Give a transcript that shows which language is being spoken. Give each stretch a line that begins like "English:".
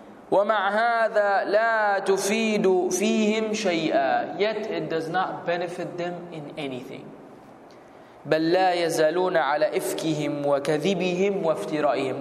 Arabic: ومع هذا لا تفيد فيهم شيئا.
English: Yet it does not benefit them in anything.
Arabic: بل لا يزالون على إفكهم وكذبهم وافترائهم.